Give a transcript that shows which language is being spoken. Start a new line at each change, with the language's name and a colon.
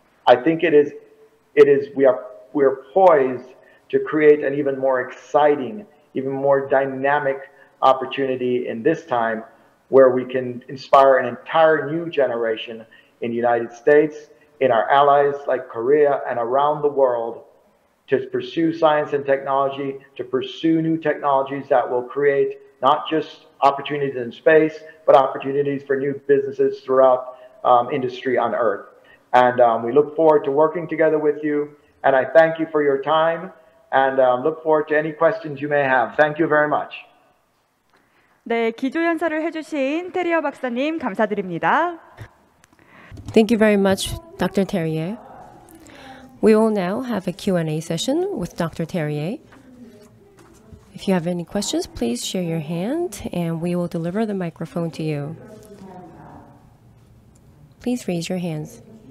English: I think we are poised to create an even more exciting, even more dynamic opportunity in this time, where we can inspire an entire new generation in the United States, in our allies like Korea, and around the world, to pursue science and technology, to pursue new technologies that will create not just opportunities in space, but opportunities for new businesses throughout industry on Earth. And we look forward to working together with you, and I thank you for your time, and look forward to any questions you may have. Thank you very much.
Korean: 네, 기조연설을 해주신 테리어 박사님 감사드립니다.
English: Thank you very much, Dr. Terrier. We will now have a Q&A session with Dr. Terrier. If you have any questions, please share your hand and we will deliver the microphone to you. Please raise your hands.